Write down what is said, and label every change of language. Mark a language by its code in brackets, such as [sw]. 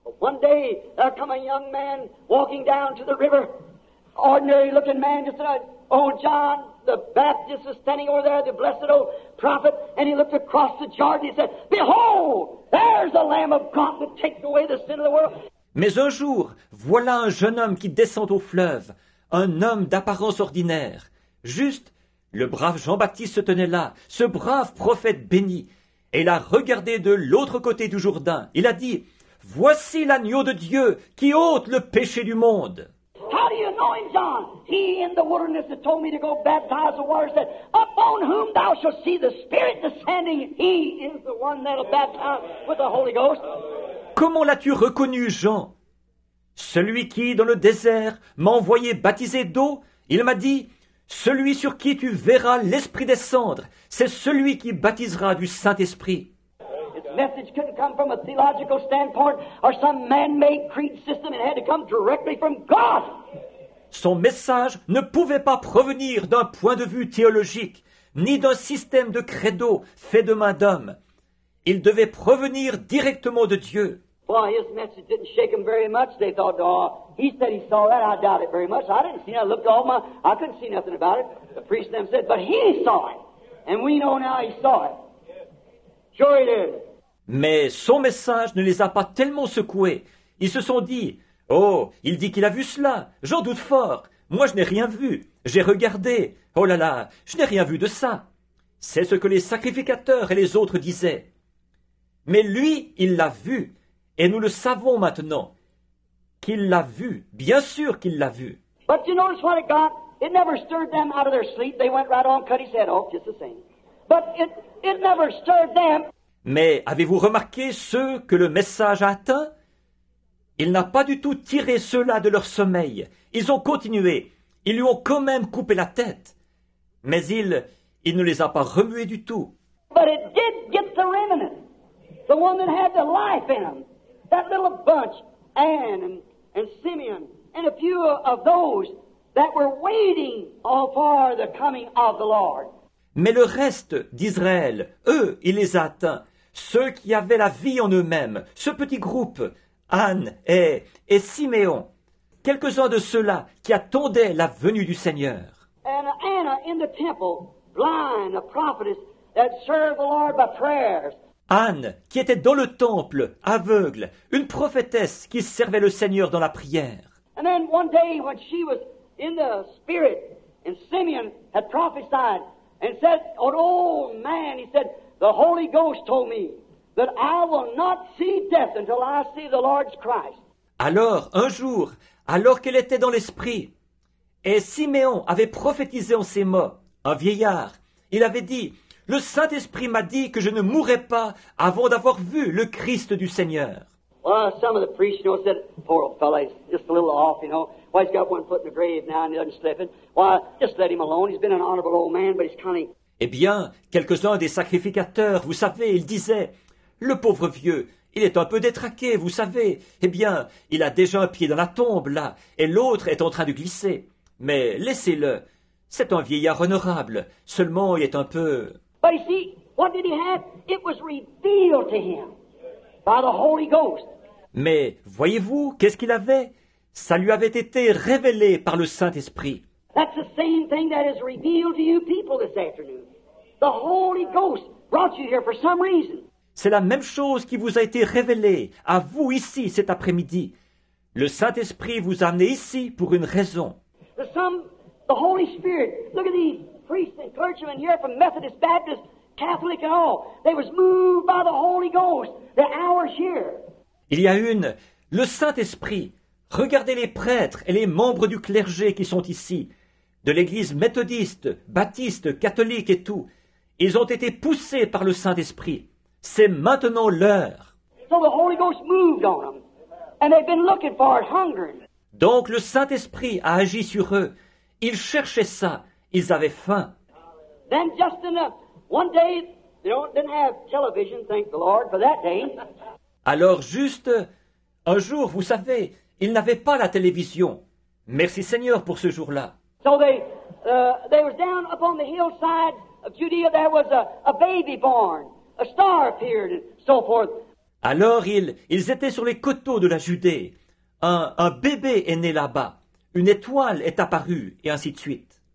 [en] One day, there come a young man walking down to the river. Ordinary looking man, just said, oh, John, the Baptist is standing over there, the blessed old prophet, and he looked across the Jordan, and he said, behold, there's the Lamb of God that takes away the sin of the world. [fr] Mais un jour, voilà un jeune homme qui descend au fleuve, un homme d'apparence ordinaire. Juste, le brave Jean-Baptiste se tenait là, ce brave prophète béni, et il a regardé de l'autre côté du Jourdain. Il a dit, voici l'agneau de Dieu qui ôte le péché du monde. [en] How do you know him, John? He in the wilderness that told me to go baptize the water said, upon whom thou shalt see the Spirit descending, he is the one that'll baptize with the Holy Ghost. [fr] Comment l'as-tu reconnu, Jean? Celui qui, dans le désert, m'a envoyé baptiser d'eau, il m'a dit, celui sur qui tu verras l'Esprit descendre, c'est celui qui baptisera du Saint-Esprit. [en] Message couldn't come from a theological standpoint or some man-made creed system. It had to come directly from God. [fr] Son message ne pouvait pas provenir d'un point de vue théologique ni d'un système de credo fait de main d'homme. Il devait provenir directement de Dieu. [en] Well, his message didn't shake him very much. They thought, oh, he said he saw that. I doubt it very much. I didn't see it. I looked all my... I couldn't see nothing about it. The priest then said, but he saw it. And we know now he saw it. Sure he did. [fr] Mais son message ne les a pas tellement secoués. Ils se sont dit, « Oh, il dit qu'il a vu cela. J'en doute fort. Moi, je n'ai rien vu. J'ai regardé. Oh là là, je n'ai rien vu de ça. » C'est ce que les sacrificateurs et les autres disaient. Mais lui, il l'a vu. Et nous le savons maintenant. Qu'il l'a vu. Bien sûr qu'il l'a vu. [en] But you notice what it got? It never stirred them out of their sleep. They went right on, cut his head off, just the same. But it never stirred them. [fr] Mais avez-vous remarqué ceux que le message a atteints? Il n'a pas du tout tiré ceux-là de leur sommeil. Ils ont continué. Ils lui ont quand même coupé la tête. Mais il ne les a pas remués du tout. [en] But it did get the remnant. The one that had the life in them. That little bunch, Anne and Simeon, and a few of those that were waiting all for the coming of the Lord. [fr] Mais le reste d'Israël, eux, il les a atteints. Ceux qui avaient la vie en eux-mêmes, ce petit groupe, Anne et Siméon, quelques-uns de ceux-là qui attendaient la venue du Seigneur. [en] And Anna in the temple, blind, a prophetess that served the Lord by prayers. [fr] Anne, qui était dans le temple, aveugle, une prophétesse qui servait le Seigneur dans la prière. [en] And then one day when she was in the spirit, and Simeon had prophesied and said, an old man, he said, the Holy Ghost told me that I will not see death until I see the Lord's Christ. [fr] Alors, un jour, alors qu'elle était dans l'esprit, et Siméon avait prophétisé en ces mots, un vieillard, il avait dit, « Le Saint-Esprit m'a dit que je ne mourrai pas avant d'avoir vu le Christ du Seigneur. » [en] Well, some of the priests, you know, said, poor old fellow, he's just a little off, you know. Well, he's got one foot in the grave now and he doesn't slip it. Well, just let him alone. He's been an honorable old man, but he's kind of... [fr] Eh bien, quelques-uns des sacrificateurs, vous savez, ils disaient, « Le pauvre vieux, il est un peu détraqué, vous savez. Eh bien, il a déjà un pied dans la tombe, là, et l'autre est en train de glisser. Mais laissez-le. C'est un vieillard honorable. Seulement, il est un peu... » [en] But you see, what did he have? It was revealed to him by the Holy Ghost. [fr] Mais voyez-vous, qu'est-ce qu'il avait? Ça lui avait été révélé par le Saint-Esprit. [en] That's the same thing that is revealed to you people this afternoon. The Holy Ghost brought you here for some reason. [fr] C'est la même chose qui vous a été révélée à vous ici cet après-midi. Le Saint-Esprit vous a amené ici pour une raison. [en] The Holy Spirit, look at these priests and clergymen here from Methodist, Baptist, Catholic and all. They was moved by the Holy Ghost. The hour's here. [fr] Il y a une, le Saint-Esprit. Regardez les prêtres et les membres du clergé qui sont ici, de l'église méthodiste, baptiste, catholique et tout. Ils ont été poussés par le Saint-Esprit. C'est maintenant l'heure. [en] So the Holy Ghost moved on them, and they've been looking for it, hungering. [fr] Donc le Saint-Esprit a agi sur eux. Ils cherchaient ça. Ils avaient faim. [en] Then just in a, one day, they didn't have television, thank the Lord, for that day. [fr] Alors juste un jour, vous savez, ils n'avaient pas la télévision. Merci Seigneur pour ce jour-là. [en] So they was down upon the hillside of Judea, there was a baby born. A star appeared and so forth. [fr] Alors ils étaient sur les coteaux de la Judée. Un bébé est né là-bas. Une étoile est apparue et ainsi de suite.